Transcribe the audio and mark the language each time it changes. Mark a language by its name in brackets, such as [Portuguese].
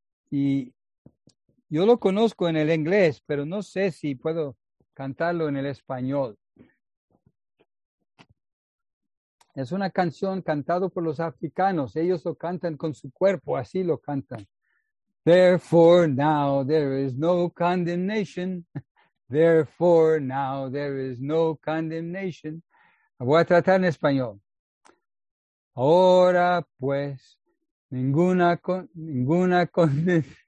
[Spanish] Y yo lo conozco en el inglés, pero no sé si puedo cantarlo en el español. Es una canción cantada por los africanos. Ellos lo cantan con su cuerpo, así lo cantan. [English] Therefore now there is no condemnation. Therefore now there is no condemnation. [Spanish] Voy a tratar en español. Ahora pues, ninguna condena.